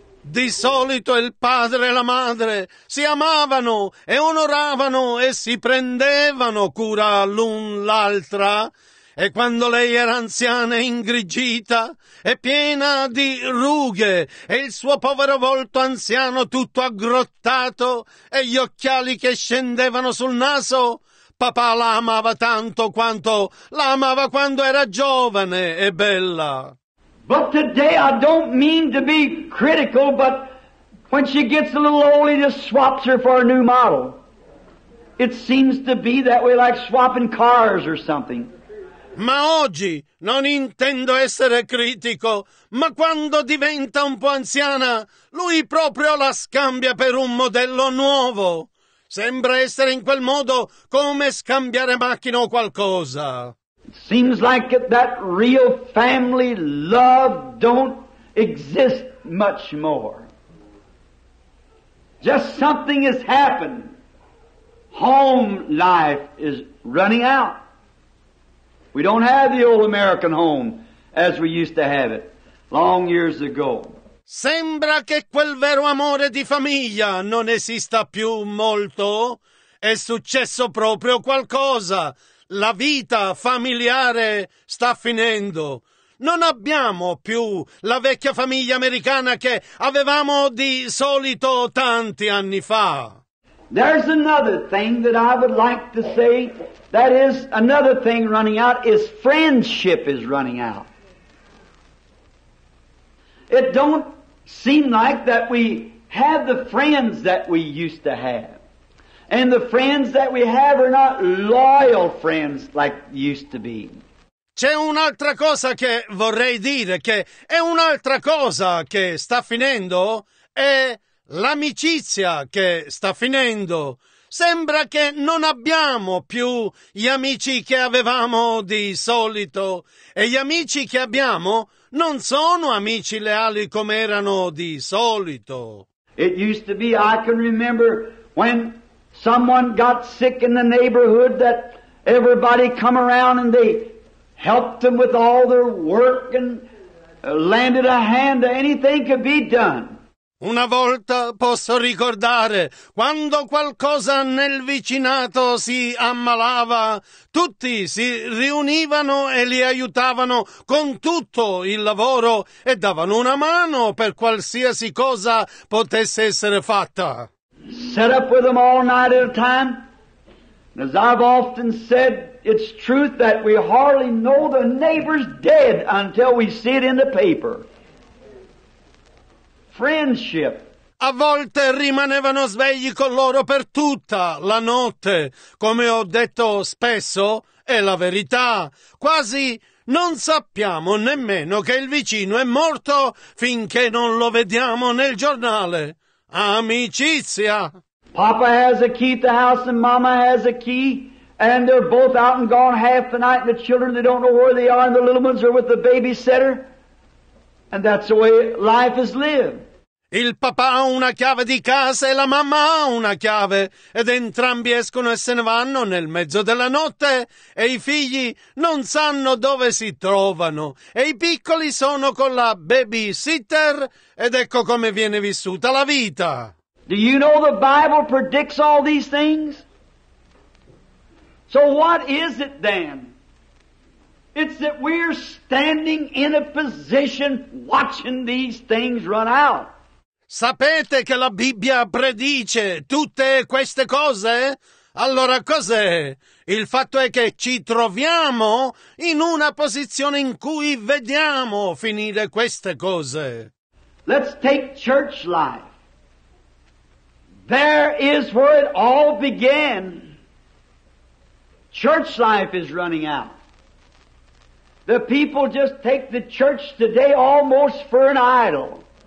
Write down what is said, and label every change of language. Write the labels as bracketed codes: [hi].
[it] Di solito il padre e la madre si amavano e onoravano e si prendevano cura l'un l'altra. E quando lei era anziana e ingrigita e piena di rughe e il suo povero volto anziano tutto aggrottato e gli occhiali che scendevano sul naso, papà la amava tanto quanto la amava quando era giovane e bella. [en] But today I don't mean to be critical, but when she gets a little old, he just swaps her for a new model. It seems to be that way, like swapping cars or something. [it] Ma oggi non intendo essere critico, ma quando diventa un po' anziana, lui proprio la scambia per un modello nuovo. Sembra essere in quel modo come scambiare macchina o qualcosa. [en] Seems like that real family love don't exist much more. Just something has happened. Home life is running out. We don't have the old American home as we used to have it long years ago. [it] Sembra che quel vero amore di famiglia non esista più molto. È successo proprio qualcosa. La vita familiare sta finendo. Non abbiamo più la vecchia famiglia americana che avevamo di solito tanti anni fa. [en] There's another thing that I would like to say. That is another thing running out is friendship is running out. It don't seem like that we have the friends that we used to have. And the friends that we have are not loyal friends like used to be. [it] C'è un'altra cosa che vorrei dire, che è un'altra cosa che sta finendo, è l'amicizia che sta finendo. Sembra che non abbiamo più gli amici che avevamo di solito e gli amici che abbiamo non sono amici leali come erano di solito. [en] It used to be, I can remember when someone got sick in the neighborhood that everybody come around and they helped them with all their work and landed a hand to anything could be done. [it] Una volta posso ricordare quando qualcosa nel vicinato si ammalava, tutti si riunivano e li aiutavano con tutto il lavoro e davano una mano per qualsiasi cosa potesse essere fatta. [en] Set up with them all night at a time. As I've often said, it's truth that we hardly know the neighbor's dead until we see it in the paper. Friendship. [it] A volte rimanevano svegli con loro per tutta la notte, come ho detto spesso, è la verità. Quasi non sappiamo nemmeno che il vicino è morto finché non lo vediamo nel giornale. Amicizia. [en] Papa has a key to the house and Mama has a key and they're both out and gone half the night and the children, they don't know where they are and the little ones are with the babysitter and that's the way life is lived. [it] Il papà ha una chiave di casa e la mamma ha una chiave ed entrambi escono e se ne vanno nel mezzo della notte e i figli non sanno dove si trovano e i piccoli sono con la babysitter ed ecco come viene vissuta la vita. [en] Do you know the Bible predicts all these things? So what is it then? It's that we're standing in a position watching these things run out. [it] Sapete che la Bibbia predice tutte queste cose? Allora cos'è? Il fatto è che ci troviamo in una posizione in cui vediamo finire queste cose. [en] Let's take church life. There is where it all began. Church life is running out. The people just take the church today almost for an idol.